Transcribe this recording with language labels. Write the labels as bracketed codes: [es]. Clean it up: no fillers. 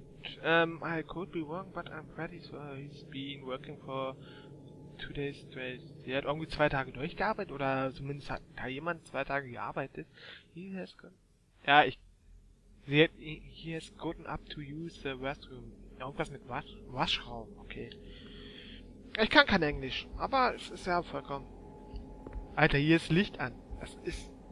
[en] I could be wrong, but I'm pretty sure he's been working for 2 days straight. [de] Er hat irgendwie 2 Tage durchgearbeitet, oder zumindest hat da jemand 2 Tage gearbeitet. [en] He has gotten up to use the restroom. [de] Irgendwas mit Waschraum, okay. Ich kann kein Englisch, aber es ist ja vollkommen... Alter, hier ist Licht an. Das ist...